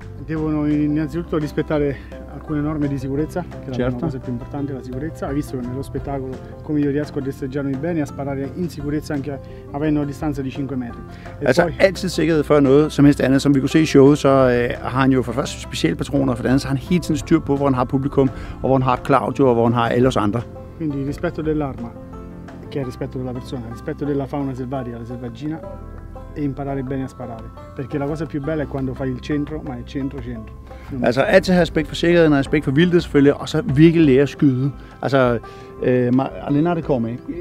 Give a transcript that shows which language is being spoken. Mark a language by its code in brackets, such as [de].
[it] Devono innanzitutto rispettare alcune norme di sicurezza, che certo. La cosa più importante è la sicurezza. Hai visto che nello spettacolo come io riesco a destreggiarmi bene e a sparare in sicurezza anche avendo una distanza di 5 metri. [da] Altså, poi... altid sikkerhed før noget som helst andet. Som vi kunne se i showet, så har han jo for først specielle patroner, for det andet, så har han helt sin styr på, hvor han har publikum, og hvor han har Claudio, og hvor han har alle os andre. [it] Quindi rispetto dell'arma, che è rispetto della persona, rispetto della fauna selvatica, la selvaggina, e imparare bene a sparare, perché la cosa più bella è quando fai il centro, ma è centro. [da] Altså altid have respekt for sikkerheden og respekt for vildtet selvfølgelig, og så virkelig lære at skyde. Altså, [it] allenare come?